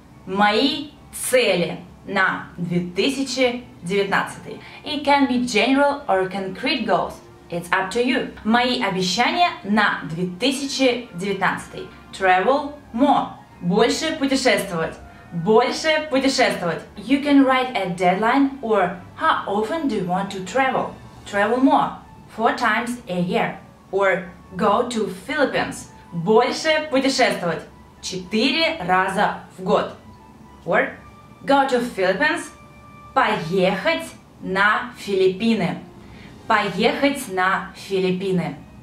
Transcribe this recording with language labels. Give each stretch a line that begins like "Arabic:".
Russian: «Мои цели на 2019».
English: It can be general or concrete goals. It's up to you.
Russian: Мои обещания на 2019.
English: Travel more.
Russian: Больше путешествовать. Больше путешествовать.
English: You can write a deadline or how often do you want to travel? Travel more. 4 times a year. Or go to Philippines.
Russian: Больше путешествовать. 4 раза в год.
English: Or go to Philippines.
Russian: Поехать на Филиппины. Поехать на Филиппины.